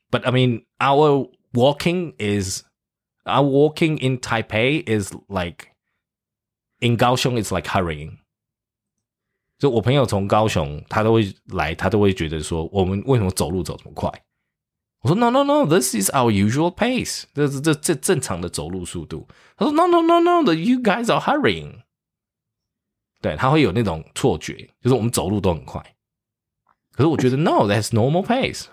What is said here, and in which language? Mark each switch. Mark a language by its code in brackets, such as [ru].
[en] But I mean, our walking in Taipei is like in Kaohsiung. It's like hurrying. [zh] 就我朋友从高雄，他都会来，他都会觉得说，我们为什么走路走这么快？ [en] 我说 No, this is our usual pace. [zh] 这正常的走路速度。 [en] 他说 No, you guys are hurrying. [zh] 对，他会有那种错觉，就是我们走路都很快。 [en] 可是我觉得 No, that's normal pace.